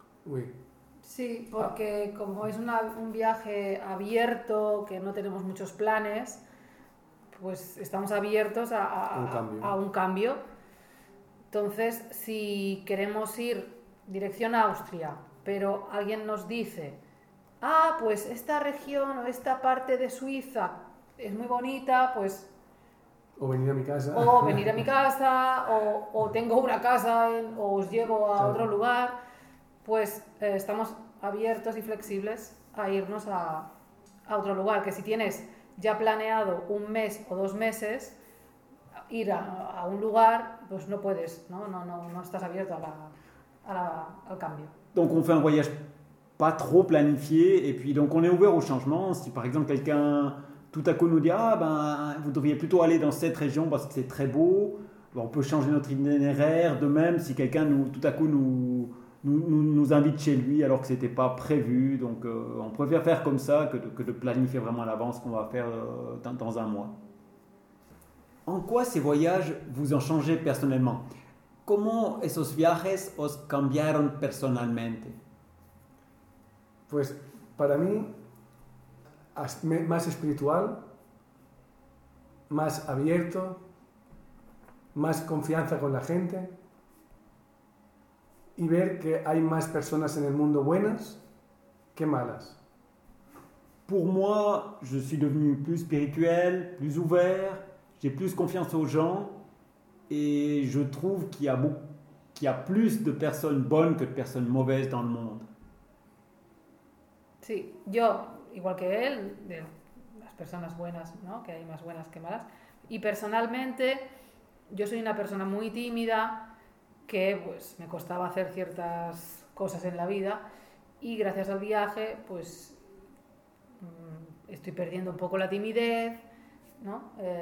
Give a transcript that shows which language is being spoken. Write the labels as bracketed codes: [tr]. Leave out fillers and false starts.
[fr] Oui. [es] Sí, porque como es un viaje abierto, que no tenemos muchos planes, pues estamos abiertos a un cambio. Entonces, si queremos ir dirección a Austria, pero alguien nos dice, ah, pues esta región o esta parte de Suiza es muy bonita, pues... O venir a mi casa. O venir a mi casa, o tengo una casa, o os llevo a otro lugar. Pues estamos abiertos y flexibles a irnos a otro lugar. Que si tienes ya planeado un mes o dos meses, ir a un lugar, pues no puedes, ¿no? No estás abierto al cambio. [fr] Donc on fait un voyage pas trop planifié, et puis donc on est ouvert au changement. Si par exemple quelqu'un... Tout à coup, nous dit, ah ben, vous devriez plutôt aller dans cette région parce que c'est très beau. Ben, on peut changer notre itinéraire. De même, si quelqu'un nous invite chez lui alors que c'était pas prévu, donc on préfère faire comme ça que de planifier vraiment à l'avance ce qu'on va faire dans un mois. En quoi ces voyages vous ont changé personnellement? [es] Comment esos viajes os cambiaron personalmente? Pues, para mí. Más espiritual, más abierto, más confianza con la gente y ver que hay más personas en el mundo buenas que malas. [fr] Pour moi, je suis devenu plus spirituel, plus ouvert, j'ai plus confiance aux gens et je trouve qu'il y a plus de personnes bonnes que de personnes mauvaises dans le monde. [es] Sí, yo igual que él, de las personas buenas, ¿no? Que hay más buenas que malas. Y personalmente, yo soy una persona muy tímida, que pues me costaba hacer ciertas cosas en la vida, y gracias al viaje, pues estoy perdiendo un poco la timidez, ¿no?